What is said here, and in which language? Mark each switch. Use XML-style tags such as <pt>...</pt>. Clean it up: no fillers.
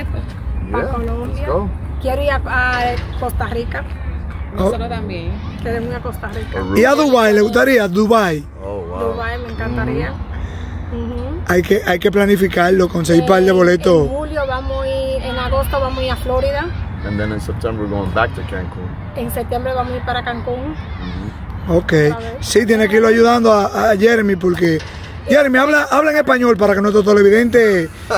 <es>esto. Para Colombia. Quiero ir a Costa Rica. Nosotros también. Queremos ir a Costa Rica. ¿Y a Dubái? ¿Le gustaría? Dubái.</es> <en>Oh, wow.</en> <es>Dubái me encantaría. Uh-huh. Hay que planificarlo, conseguir par de boletos. En julio vamos a ir, en agosto vamos a ir a Florida.</es> <en>And then in September we're going back to Cancún.</en> <es>En septiembre vamos a ir para Cancún. Uh-huh. Ok. Sí, tiene que irlo ayudando a Jeremy porque. Jeremy, habla en español para que nuestro televidente.</es>